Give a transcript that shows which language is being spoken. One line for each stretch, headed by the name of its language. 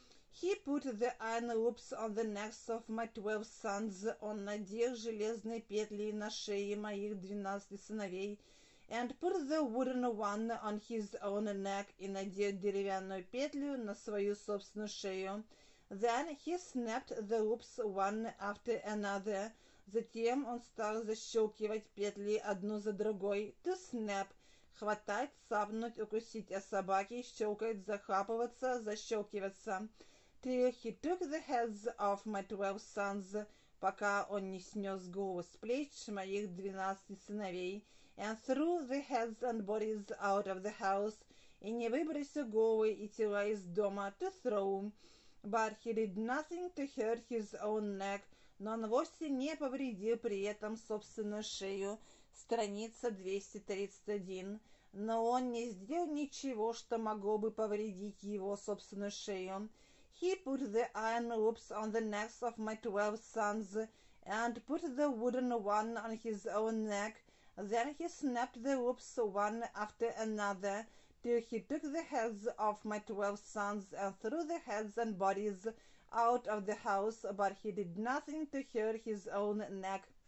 English: He put the iron loops on the necks of my 12 sons,
Russian: он надел железные петли на шеи моих 12 сыновей,
English: and put the wooden one on his own neck,
Russian: и надел деревянную петлю на свою собственную шею.
English: Then he snapped the loops one after another.
Russian: Затем он стал защелкивать петли одну за другой.
English: To snap.
Russian: Хватать, цапнуть, укусить. А собаки щелкать, захапываться, защелкиваться.
English: Till he took the heads of my 12 sons.
Russian: Пока он не снес голову с плеч моих 12 сыновей.
English: And threw the heads and bodies out of the house.
Russian: И не выбросил головы и тела из дома.
English: To throw. But he did nothing to hurt his own neck.
Russian: Но он вовсе не повредил при этом собственную шею. Страница 231. Но он не сделал ничего, что могло бы повредить его собственную шею.
English: He put the iron loops on the necks of my 12 sons and put the wooden one on his own neck. Then he snapped the loops one after another. Till he took the heads of my 12 sons and threw the heads and bodies out of the house, but he did nothing to hurt his own neck.